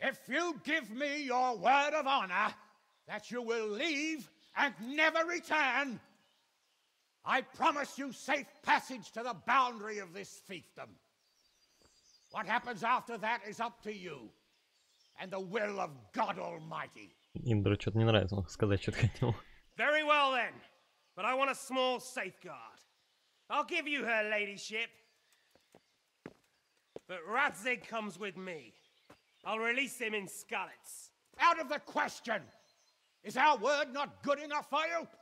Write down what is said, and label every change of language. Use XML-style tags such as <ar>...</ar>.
<en>If you give me your word of honor that you will leave and never return, I promise you safe passage to the boundary of this fiefdom. What happens after that is up to you and the will of God Almighty.</en> <ru>Индра что-то не нравится, он сказать что-то хотел.</ru> <en>Very well then, but I want a small safeguard. I'll give you her ladyship. But Radzig comes with me. I'll release him in Scarlet's. Out of the question! Is our word not good enough for you?</en>